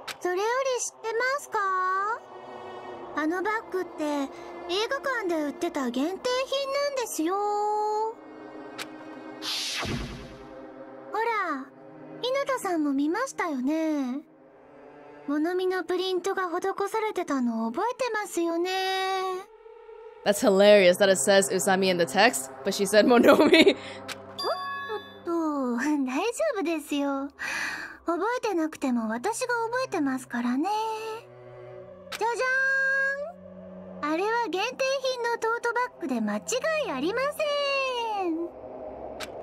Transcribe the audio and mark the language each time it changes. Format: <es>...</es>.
<ja>それより知ってますか、あのバッグって映画館で売ってた限定品なんですよ。ほら、日向さんも見ましたよね。物見のプリントが施されてたの覚えてますよね。</ja> <en>That's hilarious that it says Usami in the text, but she said Monomi.</en> <ja>おっとっと、大丈夫ですよ。覚えてなくても私が覚えてますからね。じゃじゃん、あれは限定品のトートバッグで間違いありません。</ja>